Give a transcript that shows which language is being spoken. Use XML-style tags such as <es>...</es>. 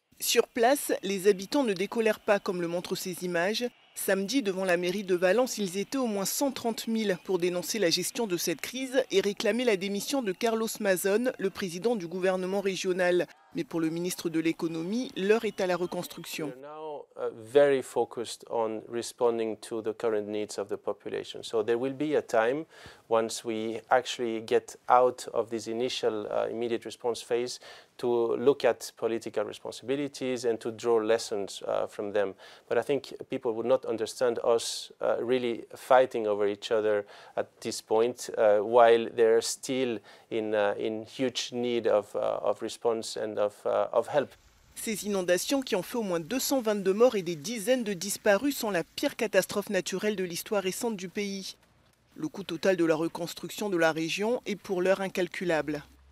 <fr>Sur place, les habitants ne décolèrent pas, comme le montrent ces images. Samedi, devant la mairie de Valence, ils étaient au moins 130 000 pour dénoncer la gestion de cette crise et réclamer la démission de Carlos Mazón, le président du gouvernement régional. Mais pour le ministre de l'économie, l'heure est à la reconstruction.</fr> <en>Very focused on responding to the current needs of the population. So there will be a time once we actually get out of this initial immediate response phase to look at political responsibilities and to draw lessons from them. But I think people would not understand us really fighting over each other at this point while they're still in huge need of response and of help.</en> <fr>Ces inondations, qui ont fait au moins 222 morts et des dizaines de disparus, sont la pire catastrophe naturelle de l'histoire récente du pays. Le coût total de la reconstruction de la région est pour l'heure incalculable.</fr>